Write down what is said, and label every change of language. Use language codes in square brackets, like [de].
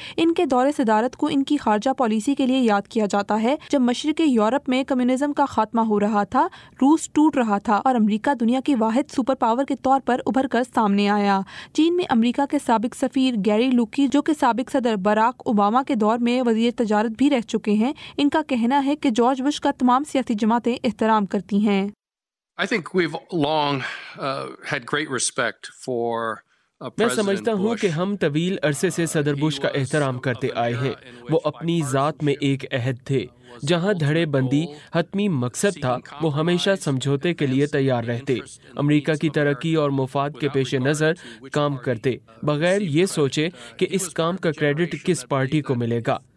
[ur] ان کے دور صدارت کو ان کی خارجہ پالیسی کے لیے یاد کیا جاتا ہے، جب مشرق یورپ میں کمیونزم کا خاتمہ ہو رہا تھا، روس ٹوٹ رہا تھا اور امریکہ دنیا کی واحد سپر پاور کے طور پر ابھر کر سامنے آیا۔ چین میں امریکہ کے سابق سفیر گیری لوکی، جو کہ سابق صدر باراک اوباما کے دور میں وزیر تجارت بھی رہ چکے ہیں، ان کا کہنا ہے کہ جارج بش کا تمام سیاسی جماعتیں احترام کرتی [en] I think we've long had great respect for [ur] میں سمجھتا ہوں کہ ہم طویل عرصے سے صدر بش کا احترام کرتے آئے ہیں. وہ اپنی ذات میں ایک عہد تھے. جہاں دھڑے بندی حتمی مقصد تھا وہ ہمیشہ سمجھوتے کے لیے تیار رہتے, امریکہ کی ترقی اور مفاد کے پیش نظر کام کرتے بغیر یہ سوچے کہ اس کام کا کریڈٹ کس پارٹی کو ملے گا.